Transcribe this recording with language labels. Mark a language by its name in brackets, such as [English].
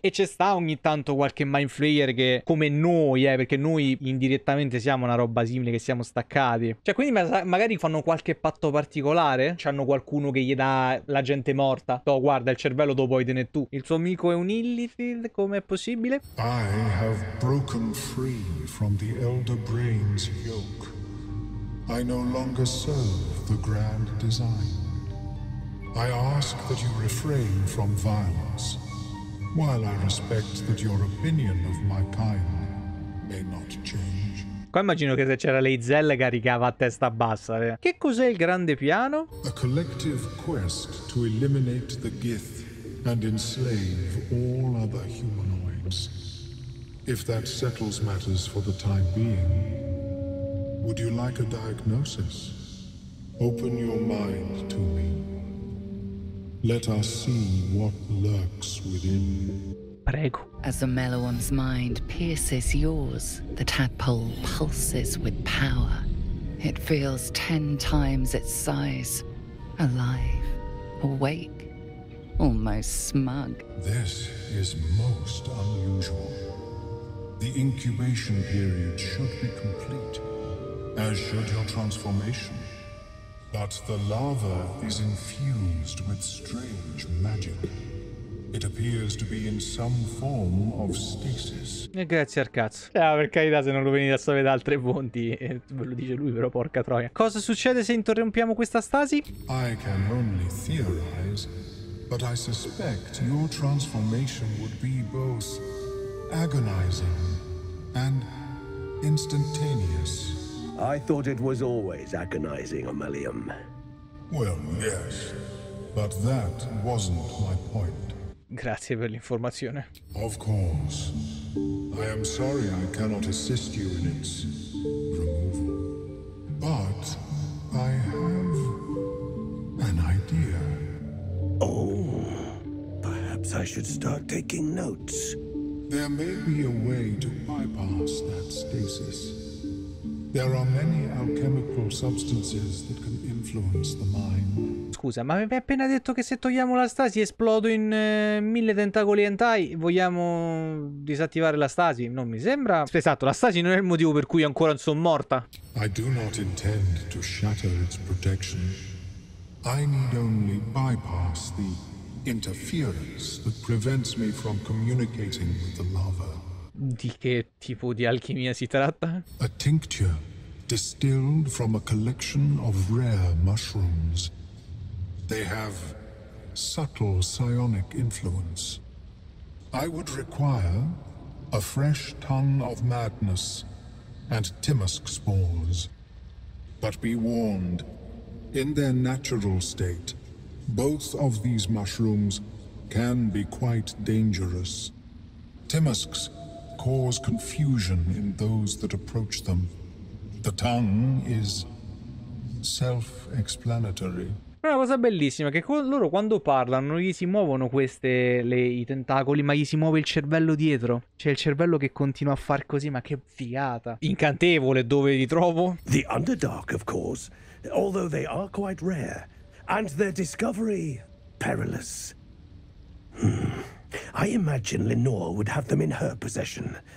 [Italian] E c'è sta ogni tanto qualche mind flayer che, come noi, perché noi indirettamente siamo una roba simile, che siamo staccati. Cioè, quindi magari fanno qualche patto particolare. C'hanno qualcuno che gli dà la gente morta. Oh, guarda, il cervello lo puoi tenere tu. Il suo amico è un Illithid, come è possibile? [English] I have broken free from the Elder Brain's yoke. I no longer serve the grand design. I ask that you refrain from violence, while I respect that your opinion of my kind may not change. [Italian] Qua immagino che se c'era Leizel caricava a testa bassa. Che cos'è il grande piano? [English] A collective quest to eliminate the Gith and enslave all other humanoids. If that settles matters for the time being, would you like a diagnosis? Open your mind to me. Let us see what lurks within. [Italian] Prego. [English] As the Meloan's mind pierces yours, the tadpole pulses with power. It feels 10 times its size. Alive. Awake. Almost smug. This is most unusual. The incubation period should be complete, as should your transformation. But the larva is infused with strange magic. It appears to be in some form of stasis. [Italian] E grazie al cazzo. Per carità, se non lo venite a sapere da altre fonti, ve lo dice lui, però porca troia. Cosa succede se interrompiamo questa stasi? [English] I can only theorize, but I suspect your transformation would be both agonizing and instantaneous. I thought it was always agonizing, Amelium. Well, yes, but that wasn't my point. [Italian] Grazie per l'informazione. [English] Of course. I am sorry I cannot assist you in its removal. But I have an idea. Oh, perhaps I should start taking notes. There may be a way to bypass that stasis. There are many alchemical substances that can influence the mind. [Italian] Scusa, ma mi hai appena detto che se togliamo la stasi esplodo in 1000 tentacoli entai? Vogliamo disattivare la stasi? Non mi sembra. Esatto, la stasi non è il motivo per cui ancora sono morta. [English] I do not intend to shatter its protection. I need only bypass the interference that prevents me from communicating with the lava. [Italian] Di che tipo di alchimia si tratta? [English] A tincture distilled from a collection of rare mushrooms. They have subtle psionic influence. I would require a fresh tongue of madness and timusk spores. But be warned, in their natural state, both of these mushrooms can be quite dangerous. Timusks cause confusion in those that approach them. The tongue is self-explanatory. [Italian] È una cosa bellissima che loro quando parlano non gli si muovono queste i tentacoli, ma gli si muove il cervello dietro. C'è il cervello che continua a far così, ma che figata. Incantevole, dove li trovo? [English] The Underdark, of course, although they are quite rare, and their discovery perilous. I imagine Lenore would have them in her possession.